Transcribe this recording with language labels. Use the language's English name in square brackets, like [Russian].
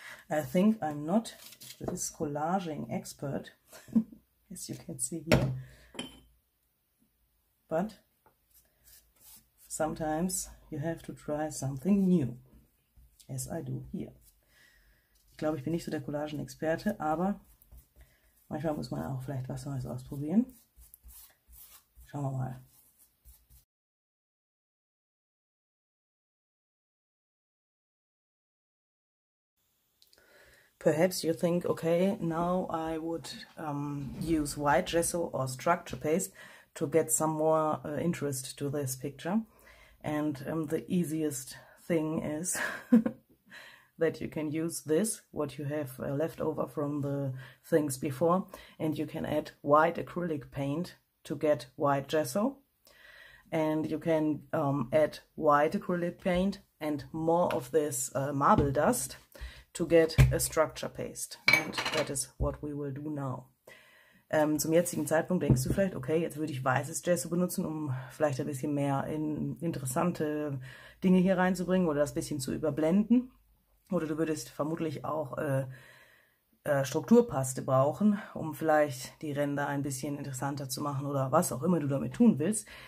[English] I think I'm not this collaging expert, as you can see here. But sometimes you have to try something new, as I do here. [German] Ich glaube, ich bin nicht so der Collagen-Experte, aber manchmal muss man auch vielleicht was Neues ausprobieren. Schauen wir mal. [English] Perhaps you think, okay, now I would use white gesso or structure paste to get some more interest to this picture. And the easiest thing is that you can use this, what you have left over from the things before, and you can add white acrylic paint to get white gesso. And you can add white acrylic paint and more of this marble dust to get a structure paste. And that is what we will do now. [German] Zum jetzigen Zeitpunkt denkst du vielleicht, okay, jetzt würde ich weißes Gesso benutzen, um vielleicht ein bisschen mehr in interessante Dinge hier reinzubringen oder das bisschen zu überblenden. Oder du würdest vermutlich auch Strukturpaste brauchen, um vielleicht die Ränder ein bisschen interessanter zu machen oder was auch immer du damit tun willst.